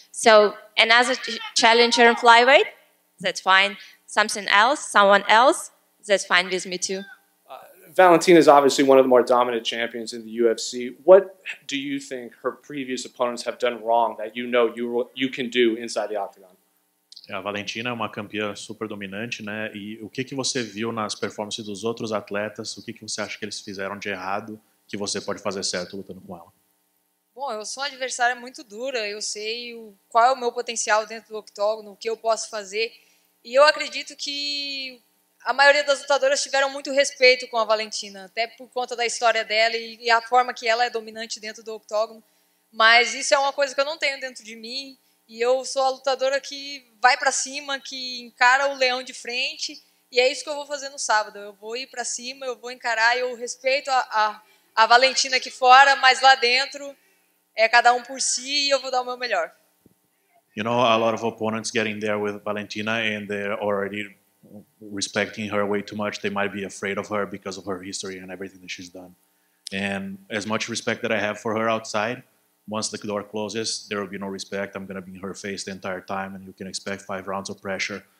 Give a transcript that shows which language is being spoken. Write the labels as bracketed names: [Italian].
[English] So another challenger in flyweight, that's fine. Something else, someone else, that's fine with me too. Valentina is obviously one of the more dominant champions in the UFC. What do you think her previous opponents have done wrong that you know you can do inside the octagon? [Portuguese] A Valentina é uma campeã super dominante, né? E o que que você viu nas performances dos outros atletas? O que que você acha que eles fizeram de errado que você pode fazer certo lutando com ela? Bom, eu sou uma adversária muito dura. Eu sei qual é o meu potencial dentro do octógono, o que eu posso fazer. E eu acredito que a maioria das lutadoras tiveram muito respeito com a Valentina, até por conta da história dela e a forma que ela é dominante dentro do octógono. Mas isso é uma coisa que eu não tenho dentro de mim. E eu sou a lutadora que vai para cima, que encara o leão de frente. E é isso que eu vou fazer no sábado. Eu vou ir para cima, eu vou encarar. Eu respeito a Valentina aqui fora, mas lá dentro é cada um por si e eu vou dar o meu melhor. [English] You know, a lot of opponents get in there with Valentina and they're already respecting her way too much. They might be afraid of her because of her history and everything that she's done. And as much respect that I have for her outside, once the door closes, there will be no respect. I'm going to be in her face the entire time and you can expect 5 rounds of pressure.